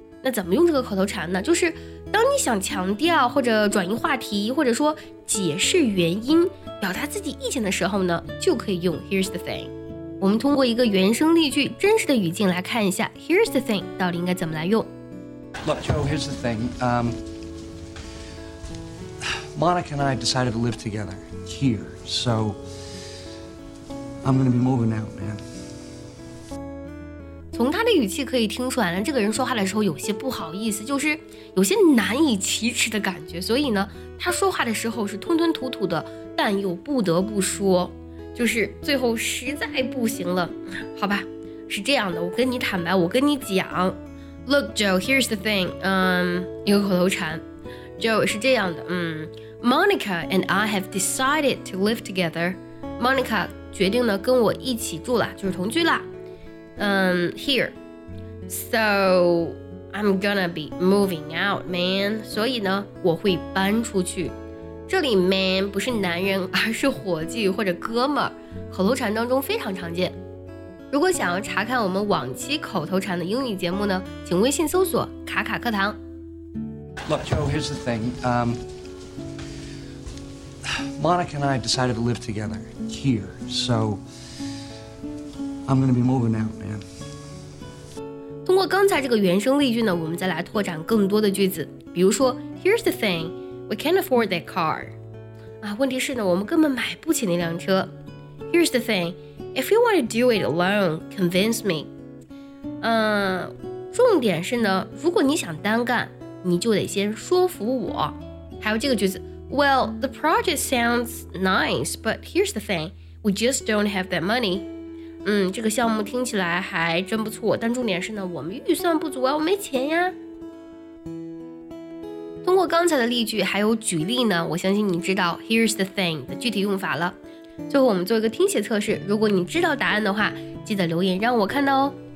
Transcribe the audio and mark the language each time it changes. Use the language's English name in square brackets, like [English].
[Chinese] 那怎么用这个口头禅呢？就是当你想强调或者转移话题，或者说解释原因，表达自己意见的时候呢，就可以用 [English] Here's the thing。 [Chinese] 我们通过一个原声例句，真实的语境来看一下 [English] Here's the thing [Chinese] 到底应该怎么来用。 [English] Look, Joe, here's the thing. Monica and I decided to live together here, so I'm going to be moving out, man. [Chinese] 从他的语气可以听出来呢，这个人说话的时候有些不好意思，就是有些难以启齿的感觉，所以呢他说话的时候是吞吞吐吐的，但又不得不说，就是最后实在不行了。好吧，是这样的，我跟你坦白，我跟你讲 [English] Look Joe, here's the thing, [Chinese] 一个口头禅 Joe 是这样的， [English] Monica and I have decided to live together. [Chinese] Monica 决定呢跟我一起住了，就是同居了。 [English] Here. So, I'm gonna be moving out, man. [Chinese] 所以呢，我会搬出去。这里 man 不是男人，而是伙计或者哥们儿，口头禅当中非常常见。如果想要查看我们往期口头禅的英语节目呢，请微信搜索卡卡课堂。 [English] Look, Joe, here's the thing. Monica and I decided to live together here, so... I'm gonna be moving out, man. [Chinese] 通过刚才这个原声例句呢，我们再来拓展更多的句子。比如说 [English] ，Here's the thing, we can't afford that car. [Chinese] 啊，问题是呢，我们根本买不起那辆车。 [English] Here's the thing, if you want to do it alone, convince me. [Chinese] 重点是呢，如果你想单干，你就得先说服我。还有这个句子 [English] ，Well, the project sounds nice, but here's the thing, we just don't have that money. [Chinese] 这个项目听起来还真不错，但重点是呢，我们预算不足啊，我没钱呀。通过刚才的例句还有举例呢，我相信你知道 [English] here's the thing [Chinese] 的具体用法了。最后我们做一个听写测试，如果你知道答案的话，记得留言让我看到哦。